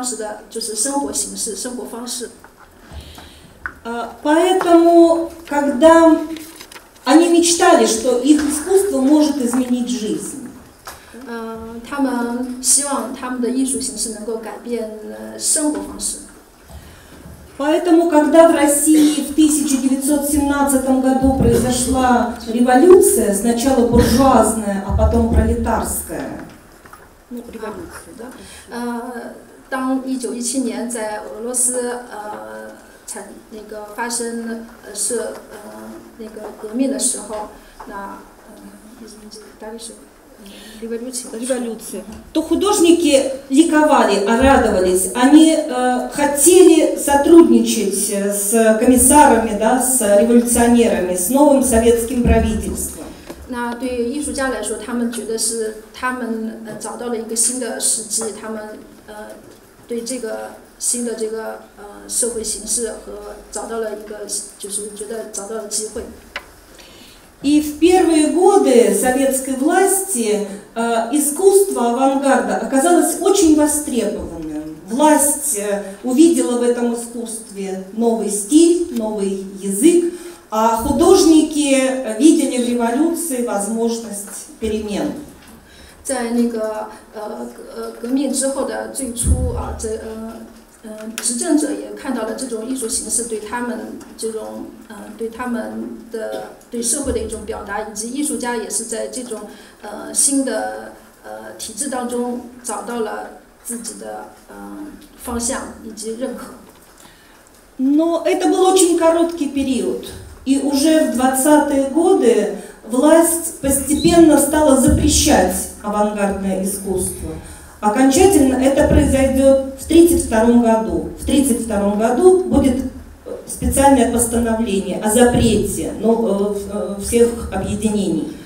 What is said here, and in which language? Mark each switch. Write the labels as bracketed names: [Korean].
[Chinese] 俄罗斯的先锋派，这些先锋派艺术可以说是改变了当时的一个社会认识，以及对艺术的，甚至改变了一种当时的就是生活形式、生活方式。 [Russian] Поэтому, когда они мечтали, что их искусство может изменить жизнь. [Chinese] 他们希望他们的艺术形式能够改变生活方式。 [Russian] Поэтому, когда в России в 1917 году произошла революция, сначала буржуазная, а потом пролетарская. Ну, революция, да? [Chinese] 当1917年在俄罗斯城那个发生是那个革命的时候，那大概是。 [Russian] Революция. То художники ликовали, радовались, они хотели сотрудничать с комиссарами, да, с революционерами, с новым советским правительством. [Chinese] 那对于艺术家来说，他们觉得是他们找到了一个新的时机，他们对这个新的这个社会形势和找到了一个，就是觉得找到了机会。 [Russian] И в первые годы советской власти искусство авангарда оказалось очень востребованным. Власть увидела в этом искусстве новый стиль, новый язык, а художники видели в революции возможность перемен. [Chinese] 在那个革命之后的最初啊，这执政者也看到了这种艺术形式对他们这种对他们的对社会的一种表达，以及艺术家也是在这种新的体制当中找到了自己的方向以及认可。 [Russian] Но это был очень короткий период, и уже в 20-е годы власть постепенно стала запрещать авангардное искусство. Окончательно это произойдет в 1932 году. В 1932 году будет специальное постановление о запрете всех объединений.